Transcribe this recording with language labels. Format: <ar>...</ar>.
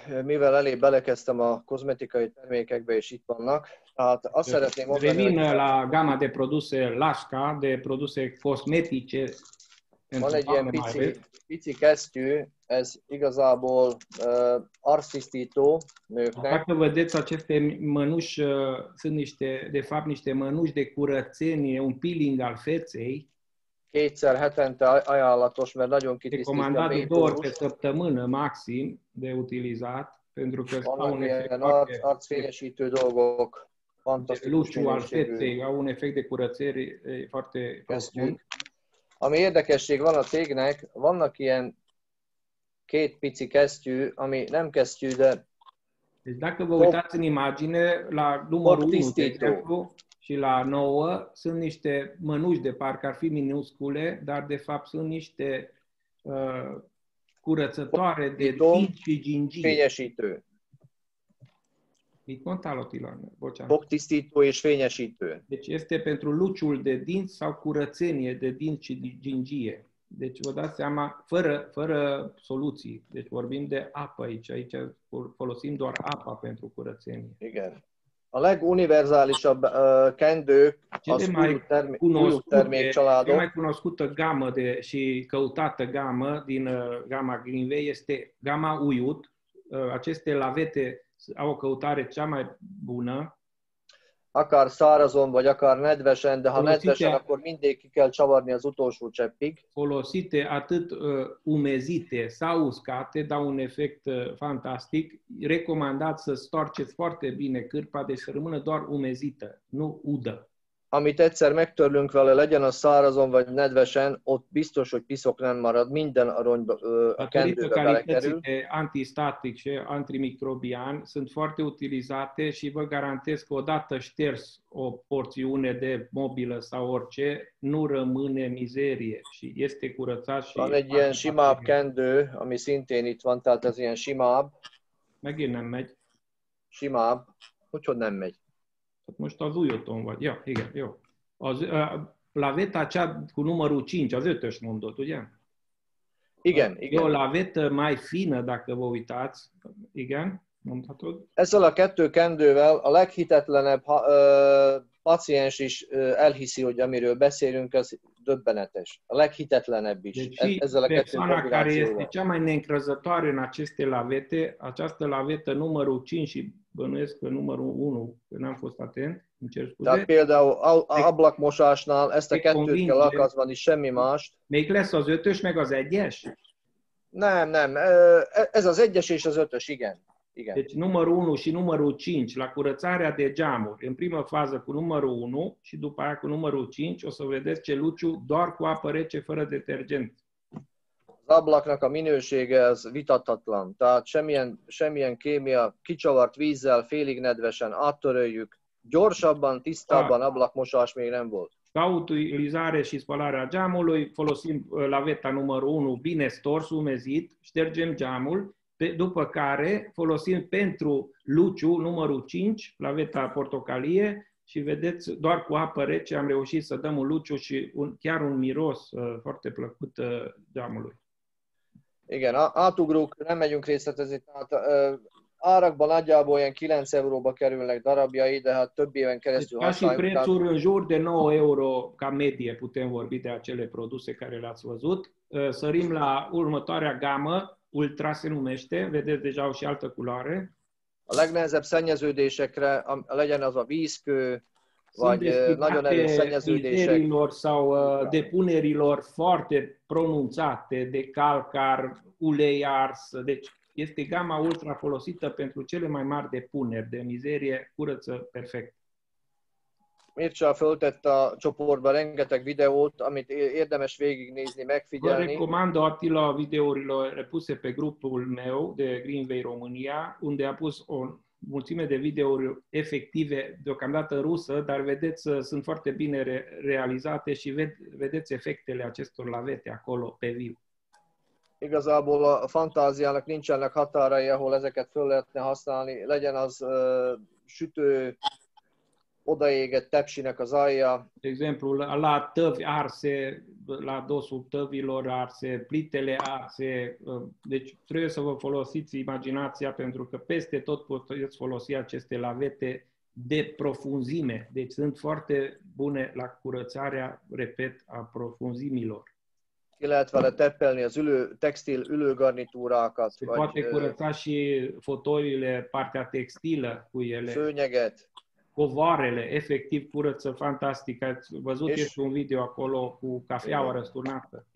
<hu>Mivel elég belekezdtem a kozmetikai termékekbe, és itt vannak, tehát azt szeretném mondani,</hu> <ro>Revin</ro> <hu>hogy...</hu> <ro>la gama de produse Lasca, de produse cosmetice.</ro> <hu>Van egy ilyen pici kesztyű, ez igazából arctisztító nőknek.</hu> <ro>Dacă vedeți aceste mănuși, sunt niște, de fapt niște mănuși de curățenie, un peeling al feței.</ro> <hu>Kétszer hetente ajánlatos, mert nagyon kitisztít.</hu> <ro>Recomandat de două ori pe săptămână maxim de utilizat, pentru că au un efect</ro> <hu>arcfényesítő dolgok.</hu> <ro>Lucru al feței, au un efect de curățenie foarte profund.</ro> <hu>Ami érdekesség van a cégnek, vannak ilyen két pici kesztyű, ami nem kesztyű, de...</hu> <ro>Deci dacă vă uitați în imagine, la numărul 1, de exemplu, și la 9, sunt niște mănuși de parcă ar fi minuscule, dar de fapt sunt niște curățătoare de fici și gingii.</ro> <hu>Fényesítő. Mit mondtál, Otilan? Bocsánat. Foctisztító és fényesítő.</hu> <ro>Deci este pentru luciul de dinți sau curățenie de dinți și gingie. Deci vă dați seama, fără soluții. Deci vorbim de apă aici. Aici folosim doar apa pentru curățenie.</ro> <hu>Igen. A leguniverzálisabb kendők, az újult termék családok.</hu> <ro>Cea mai cunoscută gamă de, și căutată gamă din gama Greenway este gama Uyut. Aceste lavete au o căutare cea mai bună.</ro> <hu>Akár szárazon, vagy akár nedvesen, de ha nedvesen, akkor mindig ki kell csavarni az utolsó cseppig.</hu> <ro>Folosite atât umezite sau uscate, dau un efect fantastic. Recomandat să storceți foarte bine cârpa, deci să rămână doar umezită, nu udă.</ro> <hu>Amit egyszer megtörlünk vele, legyen a szárazon vagy nedvesen, ott biztos, hogy piszok nem marad, minden a rongyba, a kendőbe belekerül.</hu> <ro>Antistatic și antimicrobian sunt foarte utilizate și vă garantez că odată șters o porțiune de mobilă sau orice, nu rămâne mizerie și este curățat și...</ro> <hu>Van egy ilyen simább kendő, ami szintén itt van, tehát ez ilyen simább. Megint nem megy. Simább. Hogyhogy nem megy? Most az újoton vagy. Ja, igen, jó. Az,</hu> <ro>laveta cea cu numărul 5,</ro> <hu>az 5-ös mondott, ugye? Igen, igen.</hu> <ro>Jó, laveta mai fină, dacă vă uitați.</ro> <hu>Igen, mondhatod. Ezzel a kettő kendővel a leghitetlenebb paciens is elhiszi, hogy amiről beszélünk, ez döbbenetes. A leghitetlenebb is. Ezzel a kettő kombinációval.</hu> <ro>Persoana care este cea mai neîncrezătoare în aceste lavete, această lavetă numărul 5 și bănuiesc că numărul 1, că n-am fost atent, îmi cer scuze.</ro> <hu>Dar, például, ablakmosásnál, ezt a kettőt kell alkalmazni, semmi mást. Még lesz az 5-ös, meg az 1-es? Nem. Ez az 1-es és az 5-ös, igen. Igen.</hu> <ro>Deci numărul 1 și numărul 5 la curățarea de geamuri, în primă fază cu numărul 1 și după aia cu numărul 5, o să vedeți ce luciu doar cu apă rece, fără detergent.</ro> <hu>Ablaknak a minősége az vitathatlan. Tehát semmilyen kémia, kicsavart vízzel, félig nedvesen, áttöröljük. Gyorsabban, tisztábban ablakmosás még nem volt.</hu> <ro>La utilizare și spălarea geamului folosim laveta numărul 1 bine stors, umezit, ștergem geamul, după care folosim pentru luciu numărul 5, laveta portocalie, și vedeți, doar cu apă rece am reușit să dăm un luciu și chiar un miros foarte plăcut geamului.</ro> <hu>Igen, átugrók, nem megyünk részletezni, tehát árakban nagyjából ilyen 9 euróba kerülnek darabjai, de hát több éven keresztül használjuk.</hu> <ro>Deci, prețul în jur de 9 euro ca medie putem vorbi de acele produse care le-ați văzut. Sărim la următoarea gamă, Ultra se numește, vedeți deja au și altă culoare.</ro> <hu>A legnehezebb szennyeződésekre, legyen az a vízkő, vagy nagyon erős szennyeződések.</hu> <ro>Kriterilor sau depunerilor foarte pronunțate de calcar, ulei ars, deci este gama ultra folosită pentru cele mai mari depuneri de mizerie, curăță perfect.</ro> <hu>Mircea a föltett a csoportba rengeteg videót, amit érdemes végignézni, megfigyelni.</hu> <ro>Vă recomandă Attila videourilor repuse pe grupul meu de Greenway România, unde a pus o mulțime de videouri efective, deocamdată rusă, dar vedeți, sunt foarte bine realizate și vedeți efectele acestor lavete acolo pe viu.</ro> <hu>Igazából a fantáziának nincsenek határai, ahol ezeket föl lehetne használni, legyen az sütő, odaéget tepsinek az alja.</hu> <ro>De exemplu, la tăvi arse, la dosul tăvilor arse, plitele arse, deci trebuie să vă folosiți imaginația, pentru că peste tot puteți folosi aceste lavete de profunzime. Deci sunt foarte bune la curățarea, repet, a profunzimilor.</ro> <hu>Ki lehet vele teppelni az ülő, textil ülőgarnitúrákat.</hu> <ro>Se vagy, poate curăța și fotoile, partea textilă cu ele.</ro> <hu>Szőnyeget.</hu> <ro>Covoarele, efectiv curăță fantastic. Ați văzut și un video acolo cu cafeaua răsturnată.</ro>